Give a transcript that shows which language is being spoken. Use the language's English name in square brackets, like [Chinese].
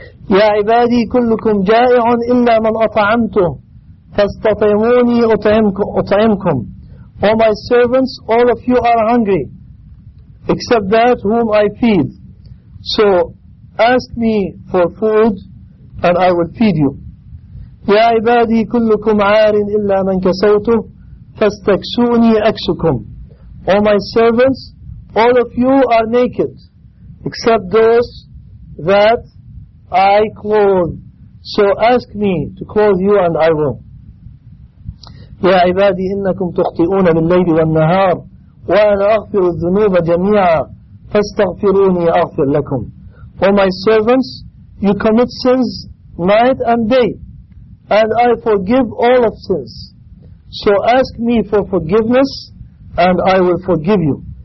[Arabic] يَا عِبَادِي كُلُّكُمْ جَائِعٌ إِلَّا مَنْ أَطَعَمْتُهُ فَاسْتَطَيْمُونِي أُطَعِمْكُمْ. [English] O my servants, all of you are hungry, except that whom I feed. So ask me for food, and I will feed you. [Arabic] يا عبادي كلكم عار إلا من كسوته فاستكسوني أكسكم. [English] O my servants, all of you are naked except those that I clothe, so ask me to clothe you and I will. [Arabic] يا عبادي إنكم تخطئون بالليل والنهار وأنا أغفر الذنوب جميعا فاستغفروني أغفر لكم. [English] O my servants, you commit sins night and day, and I forgive all of sins. So ask me for forgiveness, and I will forgive you.